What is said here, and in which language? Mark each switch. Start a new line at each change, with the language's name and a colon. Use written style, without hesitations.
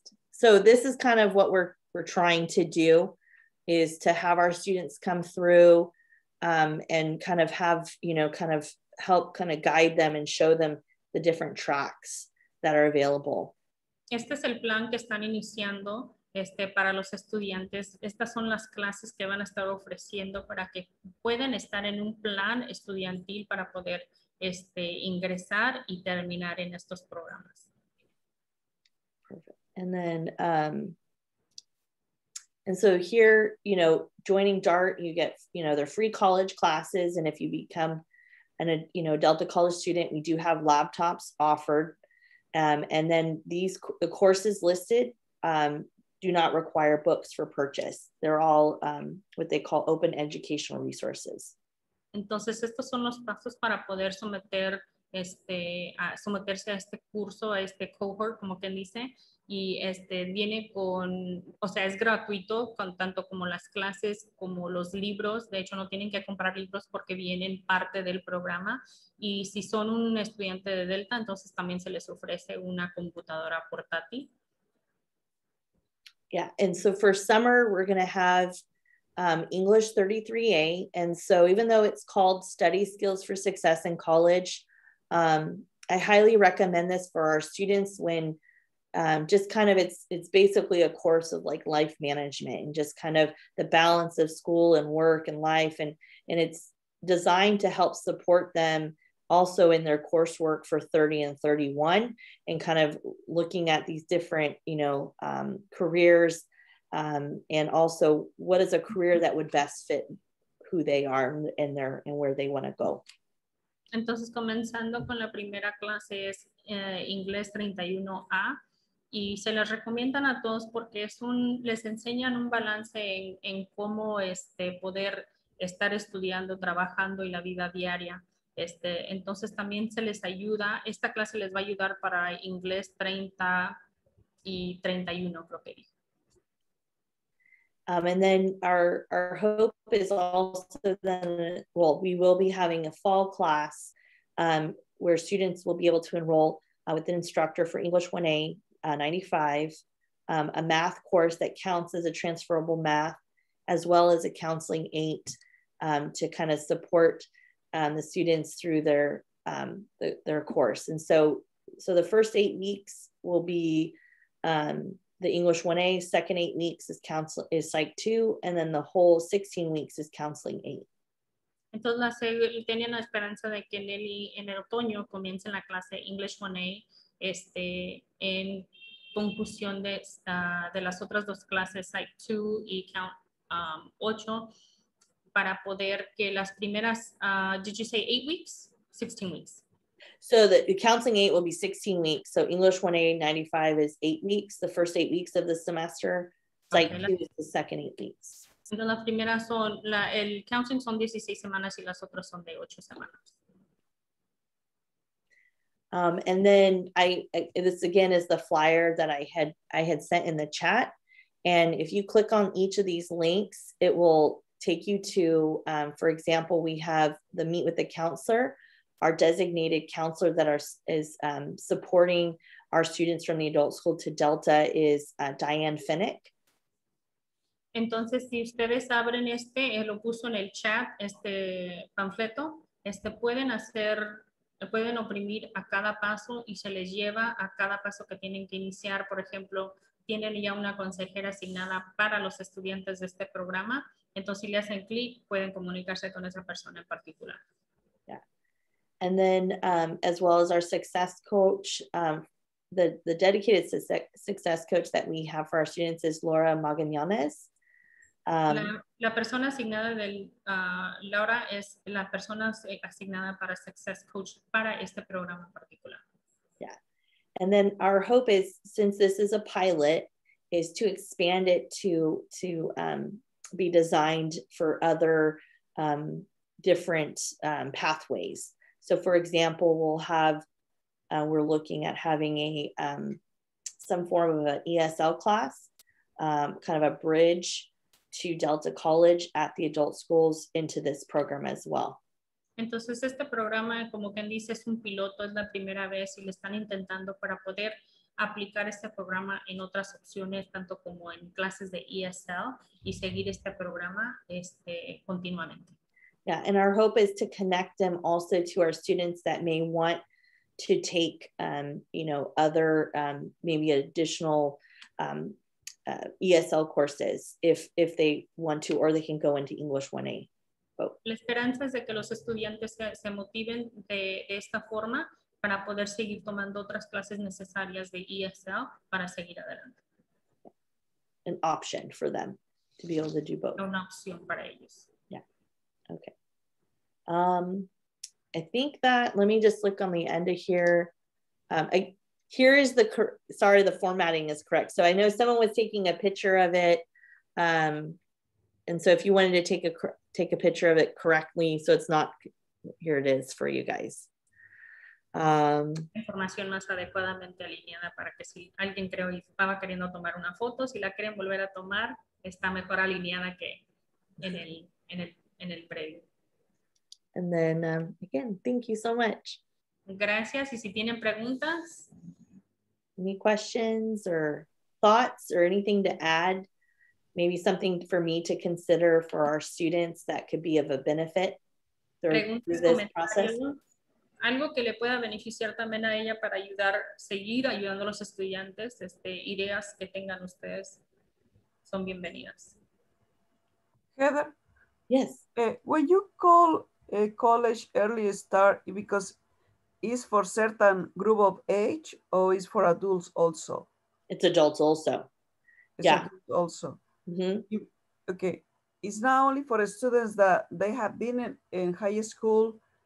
English: So this is kind of what we're trying to do, is to have our students come through and kind of have, you know, kind of help kind of guide them and show them the different tracks that are available.
Spanish: Este es el plan que están iniciando para los estudiantes. Estas son las clases que van a estar ofreciendo para que puedan estar en un plan estudiantil para poder ingresar y terminar en estos programas.
English: And then, and so here, you know, joining DART, you get, you know, their free college classes. And if you become a Delta College student, we do have laptops offered. And then the courses listed do not require books for purchase. They're all what they call open educational resources.
Spanish: Entonces, estos son los pasos para poder someter someterse a este curso, a este cohort, como quien dice. Y viene con, o sea, es gratuito, con tanto como las clases, como los libros. De hecho, no tienen que comprar libros porque vienen parte del programa. Y si son un estudiante de Delta, entonces también se les ofrece una computadora portátil.
English: Yeah, and so for summer, we're going to have English 33A. And so even though it's called Study Skills for Success in College, I highly recommend this for our students when just kind of it's basically a course of like life management and just kind of the balance of school and work and life. And it's designed to help support them also in their coursework for 30 and 31 and kind of looking at these different, you know, careers and also what is a career that would best fit who they are and their and where they want to go.
Spanish: Entonces, comenzando con la primera clase es inglés 31A y se les recomiendan a todos porque es un les enseñan un balance en cómo este poder estar estudiando, trabajando y la vida diaria. Este, entonces también se les ayuda, esta clase les va a ayudar para inglés 30 y 31, creo que dije.
English: And then our hope is also then, well, we will be having a fall class where students will be able to enroll with an instructor for English 1A 95, a math course that counts as a transferable math, as well as a counseling 8 to kind of support the students through their course. And so the first 8 weeks will be the English 1A, second 8 weeks is Psych 2, and then the whole 16 weeks is Counseling 8.
Spanish: Entonces, tenían la esperanza de que Lely en el otoño comience la clase English 1A este, en conclusión de las otras dos clases, Psych 2 y Count 8, para poder que las primeras,
English: did you say 8 weeks? 16 weeks. So the counseling 8 will be 16 weeks. So English 1A 95 is 8 weeks, the first 8 weeks of the semester. Psych 2 is the second 8 weeks.
Spanish: Entonces la primera son, la, el counseling son 16 semanas y las otras son de 8 semanas.
English: And then I this again is the flyer that I had sent in the chat. And if you click on each of these links, it will take you to, for example, we have the Meet with the Counselor, our designated counselor that is supporting our students from the adult school to Delta is Diane Finnick.
Spanish: Entonces, si ustedes abren este, lo puso en el chat, este panfleto, este pueden hacer, pueden oprimir a cada paso y se les lleva a cada paso que tienen que iniciar. Por ejemplo, tienen ya una consejera asignada para los estudiantes de este programa. Entonces, si le hacen clic, pueden comunicarse con esa persona en particular.
English: And then as well as our success coach, the dedicated success coach that we have for our students is Laura Magallanes.
Spanish: La persona asignada del Laura es la persona asignada para success coach para este programa particular.
English: Yeah. And then our hope is, since this is a pilot, is to expand it to be designed for other different pathways. So for example, we'll have, we're looking at having a some form of an ESL class, kind of a bridge to Delta College at the adult schools into this program as well.
Spanish: Entonces este programa, como quien dice, es un piloto, es la primera vez y lo están intentando para poder aplicar este programa en otras opciones, tanto como en clases de ESL y seguir este programa este, continuamente.
English: Yeah, and our hope is to connect them also to our students that may want to take, you know, other, maybe additional ESL courses if they want to, or they can go into English 1A. Oh.
Spanish: La esperanza es de que los estudiantes se motiven de esta forma para poder seguir tomando otras clases necesarias de ESL para seguir adelante.
English: An option for them to be able to do both.
Spanish: Una opción para ellos.
English: Yeah, okay. I think that, let me just look on the end of here. The formatting is correct. So I know someone was taking a picture of it. And so if you wanted to take a picture of it correctly, so it's not, here it is for you guys.
Spanish: Información más adecuadamente alineada para que si alguien creo y estaba queriendo tomar una foto, si la quieren volver a tomar, está mejor alineada que en el previo.
English: And then again, thank you so much.
Spanish: Gracias. Y si tienen preguntas,
English: any questions or thoughts or anything to add maybe something for me to consider for our students that could be of a benefit through this process.
Spanish: Algo que le pueda beneficiar también a ella para ayudar, seguir ayudando a los estudiantes, ideas que tengan ustedes son bienvenidas.
English: Heather? Yes. When you call a college early start, because it's for certain group of age or is for adults also? It's adults also. It's yeah. Adults also. Mm-hmm. Okay. It's not only for students that they have been in high school.